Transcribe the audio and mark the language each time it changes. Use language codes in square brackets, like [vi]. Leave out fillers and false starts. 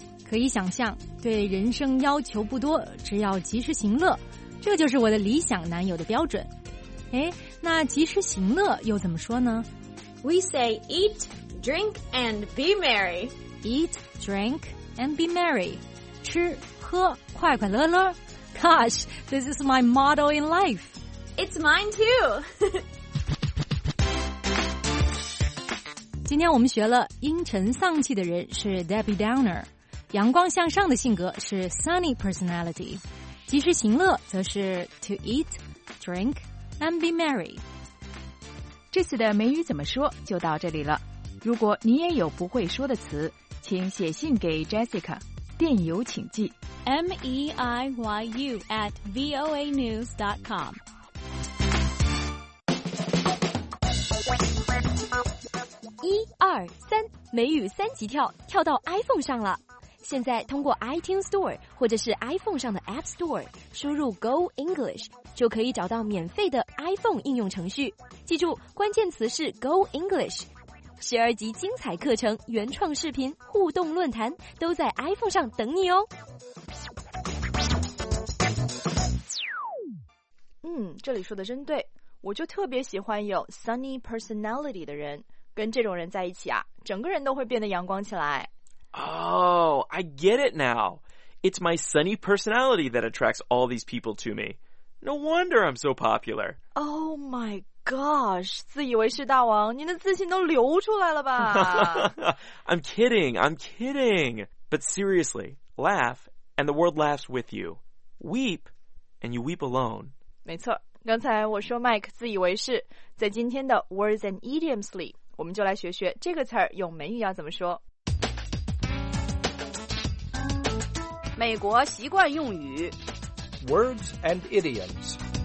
[zh] 可以想象，对人生要求不多，只要及时行乐，这就是我的理想男友的标准。哎，那及时行乐又怎么说呢？ [en] We say eat, drink, and be merry. Eat, drink, and be merry. [zh] 吃喝快快乐乐。 [en] Gosh, this is my motto in life. It's mine too. [zh] 今天我们学了阴沉丧气的人是 Debbie Downer. 阳光向上的性格是 sunny personality， 及时行乐则是 [en] to eat, drink, and be merry。 [zh] 这次的美语怎么说就到这里了，如果你也有不会说的词，请写信给 Jessica， 电邮请寄 [en] meiyu@voanews.com。 [zh] 一二三，美语三级跳，跳到 iPhone 上了。现在通过 iTunes Store 或者是 iPhone 上的 App Store 输入 Go English， 就可以找到免费的 iPhone 应用程序。记住，关键词是 Go English。12集精彩课程、原创视频、互动论坛都在 iPhone 上等你哦。这里说的真对，我就特别喜欢有 sunny personality 的人。跟这种人在一起啊，整个人都会变得阳光起来。 [en] Oh, I get it now. It's my sunny personality that attracts all these people to me. No wonder I'm so popular. Oh my gosh, [zh] 自以为是大王，您的自信都流出来了吧。 [en] I'm kidding. But seriously, laugh, and the world laughs with you. Weep, and you weep alone. [zh] 没错，刚才我说 Mike 自以为是，在今天的 Words and Idioms 里，我们就来学学这个词儿用美语要怎么说。美国习惯用语 [en] Words and Idioms。